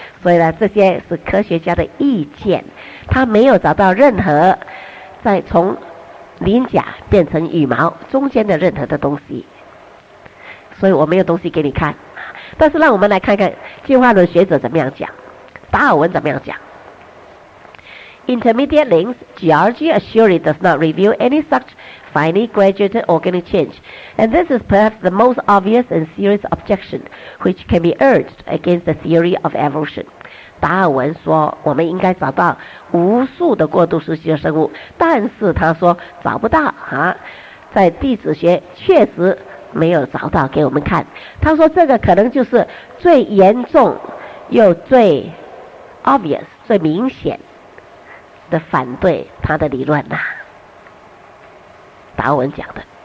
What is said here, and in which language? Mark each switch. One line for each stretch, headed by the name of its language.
Chinese: 所以呢这些是科学家的意见，他没有找到任何在从鳞甲变成羽毛中间的任何的东西，所以我没有东西给你看。但是让我们来看看进化论学者怎么样讲，达尔文怎么样讲。
English: Intermediate links, geology assuredly does not reveal any such finely graduated organic change, and this is perhaps the most obvious and serious objection which can be urged against the theory of evolution.
Chinese: 达尔文说，我们应该找到无数的过渡时期的生物，但是他说找不到啊，在地质学确实没有找到给我们看。他说这个可能就是最严重又最 obvious 最明显的反对他的理论啊，达尔文讲的。